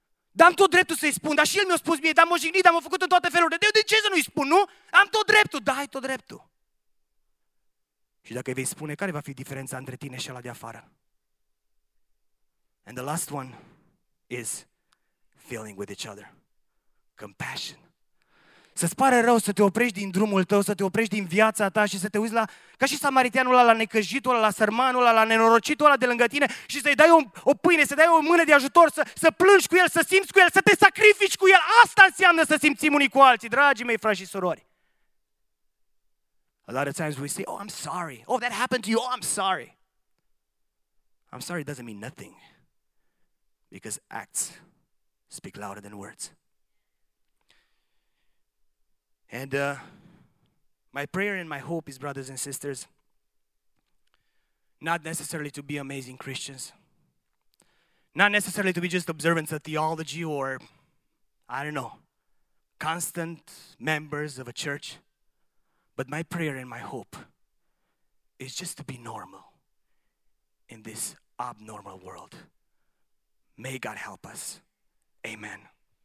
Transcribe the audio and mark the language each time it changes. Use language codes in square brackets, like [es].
[ro] Dar am tot dreptul să-i spun, dar și el mi-a spus mie, dar m-a jignit, dar m-a făcut în toate felurile. De ce să nu-i spun, nu? Am tot dreptul. Da, ai tot dreptul. Și dacă îi vei spune, care va fi diferența între tine și ăla de afară? [en] And the last one is feeling with each other. Compassion. [ro] Să-ți pare rău să te oprești din drumul tău, să te oprești din viața ta și să te uiți la, ca și samariteanul ăla, la necăjitul ăla, la sărmanul ăla, la nenorocitul ăla de lângă tine și să-i dai o pâine, să-i dai o mână de ajutor, să plângi cu el, să simți cu el, să te sacrifici cu el. Asta înseamnă să simțim unii cu alții, dragii mei, frați și surori. [en] A lot of times we say, oh, I'm sorry. Oh, that happened to you. Oh, I'm sorry. I'm sorry doesn't mean nothing. Because acts speak louder than words. And my prayer and my hope is, brothers and sisters, not necessarily to be amazing Christians, not necessarily to be just observant of theology or, I don't know, constant members of a church, but my prayer and my hope is just to be normal in this abnormal world. May God help us. Amen.